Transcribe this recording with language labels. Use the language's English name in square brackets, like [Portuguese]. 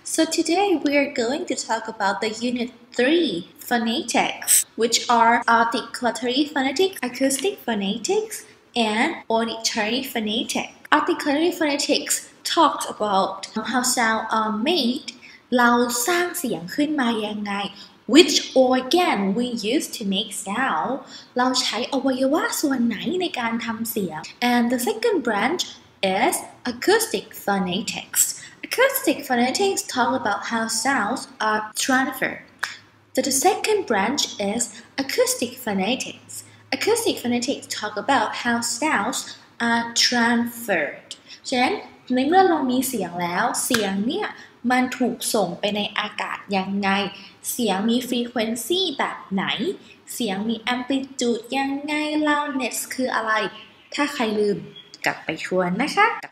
[English] So today we are going to talk about the Unit 3 phonetics, which are articulatory phonetics, acoustic phonetics, and auditory phonetics. Articulatory phonetics talks about how sounds are made, [Thai] เราสร้างเสียงขึ้นมายังไง, [English] which organ we use to make sound, [Thai] เราใช้อวัยวะส่วนไหนในการทำเสียง. [English] And the second branch is acoustic phonetics. Acoustic phonetics talk about how sounds are transferred. So the second branch is acoustic phonetics. Acoustic phonetics talk about how sounds are transferred. [Thai] ฉะนั้นในเมื่อเรามีเสียงแล้วเสียงเนี่ย มันถูกส่งไปในอากาศยังไงเสียงมีฟรีเควนซี่แบบไหนเสียงมีแอมพลิจูดยังไงLoudnessคืออะไรถ้าใครลืมกลับไปชวนนะคะ